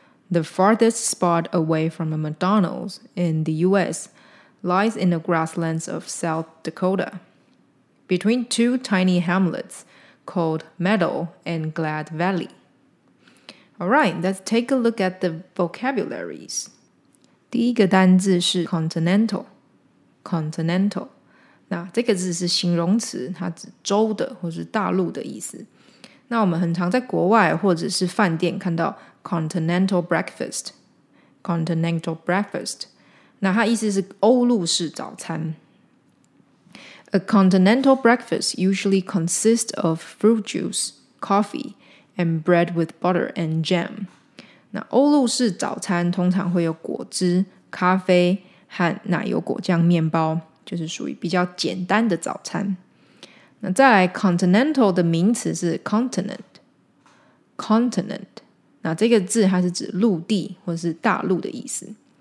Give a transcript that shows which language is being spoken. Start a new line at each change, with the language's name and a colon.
English: The farthest spot away from a McDonald's in the U.S. lies in the grasslands of South Dakota, between two tiny hamlets called Meadow and Glad Valley. All right, let's take a look at the vocabularies.
Chinese: 第一个单字是 continental, continental. 那这个字是形容词，它指州的或是大陆的意思。那我们很常在国外或者是饭店看到 continental breakfast, continental breakfast, 那它意思是欧陆式早餐。
English: A continental breakfast usually consists of fruit juice, coffee, and bread with butter and jam.
Chinese: 那欧陆式早餐通常会有果汁、咖啡和奶油果酱面包，就是属于比较简单的早餐。那再来 continental 的名词是 continent, continent, 那这个字它是指陆地或是大陆的意思。